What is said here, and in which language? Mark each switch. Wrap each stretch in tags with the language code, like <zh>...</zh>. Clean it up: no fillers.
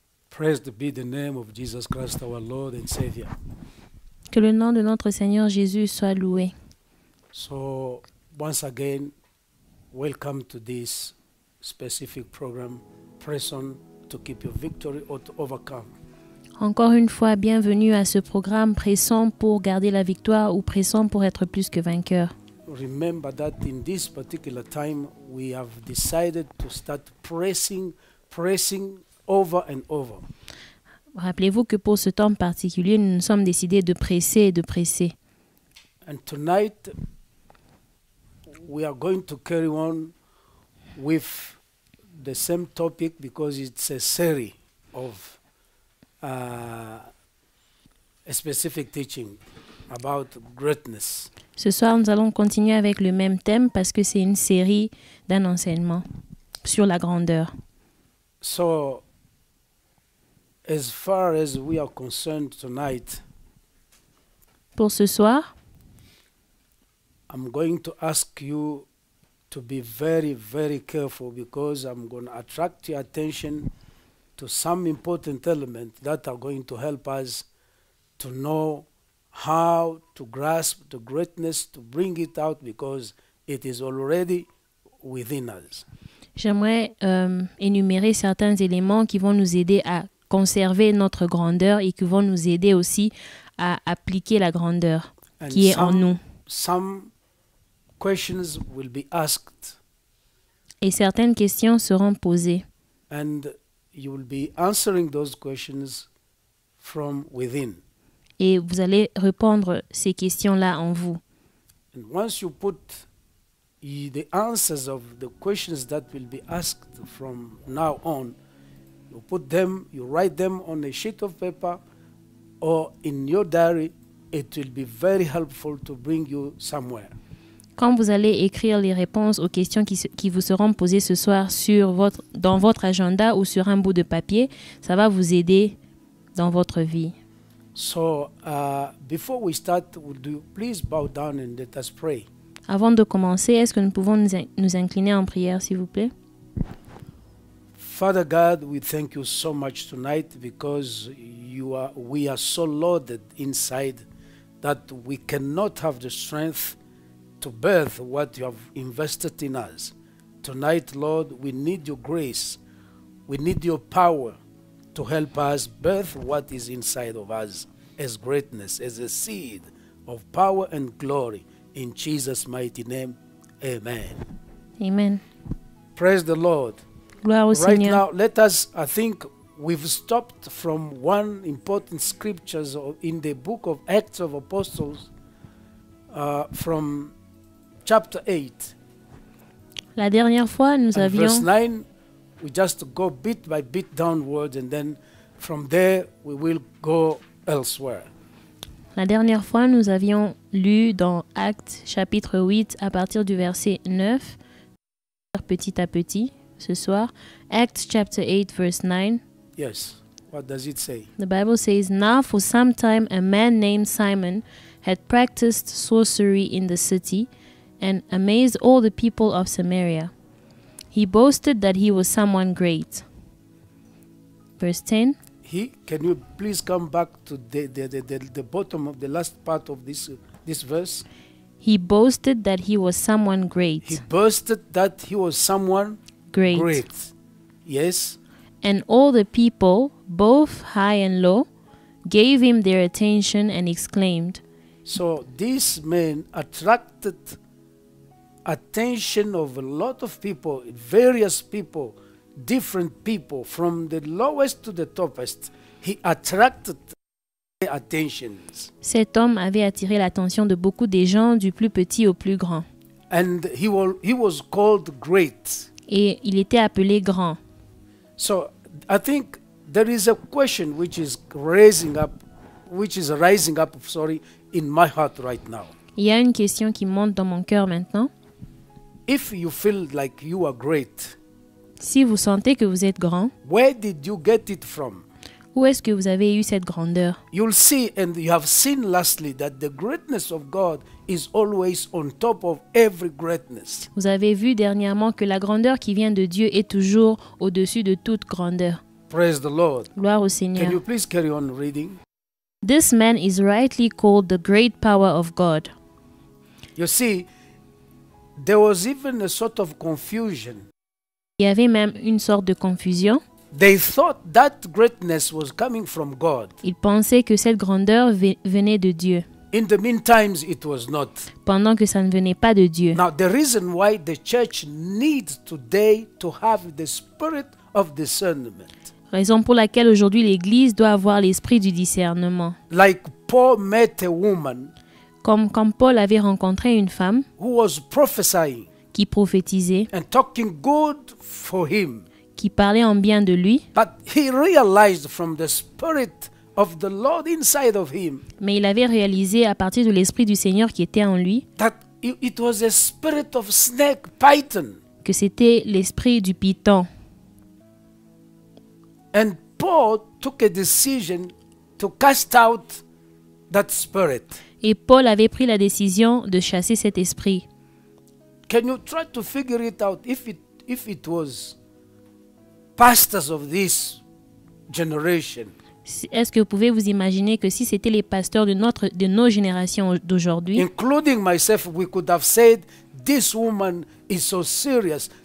<en>Praised be the name of Jesus Christ, our Lord and Savior.</en> <fr>Que le nom de notre Seigneur Jésus soit loué.</fr> <en>So, once again, welcome to this specific program, Prison to Keep Your Victory or to Overcome.</en> <fr>Encore une fois, bienvenue à ce programme Pressons pour garder la victoire ou Pressons pour être plus que vainqueur.</fr> <en>Remember that in this particular time, we have decided to start pressing over and over.</en> <fr>Rappelez-vous que pour ce temps particulier, nous nous sommes décidés de presser et de presser.</fr> <en>And tonight, we are going to carry on with the same topic because it's a series of a specific teaching about greatness.</en> <fr>Ce soir, nous allons continuer avec le même thème parce que c'est une série d'un enseignement sur la grandeur.</fr> <en>So, as far as we are concerned tonight,</en> <fr>pour ce soir,</fr> <en>I'm going to ask you to be very, very careful because I'm going to attract your attention to some important elements that are going to help us to know how to grasp the greatness, to bring it out because it is already within us.</en> <fr>J'aimerais énumérer certains éléments qui vont nous aider à conserver notre grandeur et qui vont nous aider aussi à appliquer la grandeur qui est en nous.</fr> <en>Some questions will be asked.</en> <fr>Et certaines questions seront posées.</fr> <en>And you will be answering those questions from within.</en> <fr>Et vous allez répondre ces questions-là en vous.</fr> <en>And once you put the answers of the questions that will be asked from now on, you put them, you write them on a sheet of paper or in your diary, it will be very helpful to bring you somewhere.</en> <fr>Quand vous allez écrire les réponses aux questions qui vous seront posées ce soir sur votre, dans votre agenda ou sur un bout de papier, ça va vous aider dans votre vie.</fr> <en>So, before we start, would you please bow down and let us pray?</en> <fr>Avant de commencer, est-ce que nous pouvons nous incliner en prière, s'il vous plaît?</fr> <en>Father God, we thank you so much tonight because we are so loaded inside that we cannot have the strength to birth what you have invested in us. Tonight, Lord, we need your grace. We need your power to help us birth what is inside of us as greatness, as a seed of power and glory. In Jesus' mighty name, amen. Amen. Praise the Lord.</en> <fr>Gloire au</fr> <en>right</en> <fr>Seigneur.</fr> <en>Now, let us, I think, we've stopped from one important scripture in the book of Acts of Apostles from chapter 8.</en> <fr>La dernière fois, nous avions...</fr> <en>Verse 9, we just go bit by bit downwards and then from there we will go elsewhere.</en> <fr>La dernière fois, nous avions lu dans Actes chapitre 8 à partir du verset 9, petit à petit, ce soir.</fr> <en>Acts chapter 8, verse 9. Yes, what does it say? The Bible says, now for some time a man named Simon had practiced sorcery in the city and amazed all the people of Samaria. He boasted that he was someone great. Verse 10. Can you please come back to the bottom of the last part of this verse? He boasted that he was someone great. He boasted that he was someone great. Yes. And all the people, both high and low, gave him their attention and exclaimed. So this man attracted attention of a lot of people, various people. Different people from the lowest to the topest, he attracted their attention.</en> <fr>Cet homme avait attiré l'attention de beaucoup des gens, du plus petit au plus grand.</fr> <en>And he was called great.</en> <fr>Et il était appelé grand.</fr> <en>So I think there is a question which is rising up, in my heart right now.</en> <fr>Il y a une question qui monte dans mon cœur maintenant.</fr> <en>If you feel like you are great.</en> <fr>Si vous sentez que vous êtes grand,</fr> <en>where did you get it from?</en> <fr>Où est-ce que vous avez eu cette grandeur?</fr> <en>You'll see and you have seen lastly that the greatness of God is always on top of every greatness.</en> <fr>Vous avez vu dernièrement que la grandeur qui vient de Dieu est toujours au-dessus de toute grandeur.</fr> <en>Praise the Lord.</en> <fr>Gloire au Seigneur.</fr> <en>Can you please carry on reading? This man is rightly called the great power of God. You see, there was even a sort of confusion.</en> <fr>Il y avait même une sorte de confusion.</fr> <en>They thought that greatness was coming from God.</en> <fr>Ils pensaient que cette grandeur venait de Dieu.</fr> <en>In the meantime, it was not.</en> <fr>Pendant que ça ne venait pas de Dieu.</fr> <en>Now, the reason why the church needs today to have the spirit of discernment.</en> <fr>Raison pour laquelle aujourd'hui l'Église doit avoir l'esprit du discernement.</fr> <en>Like Paul met a woman,</en> <fr>comme quand Paul avait rencontré une femme</fr> <en>who was prophesying,</en> <fr>qui prophétisait</fr> <en>and talking good for him,</en> <fr>qui parlait en bien de lui.</fr> <en>But he realized from the spirit of the Lord inside of him,</en> <fr>mais il avait réalisé à partir de l'esprit du Seigneur qui était en lui</fr> <en>that it was a spirit of snake, python,</en> <fr>que c'était l'esprit du python.</fr> <en>And Paul took a decision to cast out that spirit.</en> <fr>Et Paul avait pris la décision de chasser cet esprit.</fr> <en>Can you try to figure it out if it was pastors of this generation?</en> <fr>Est-ce que vous pouvez vous imaginer que si c'était les pasteurs de nos générations d'aujourd'hui?</fr> <en>Including myself, we could have said this woman is so serious.</en>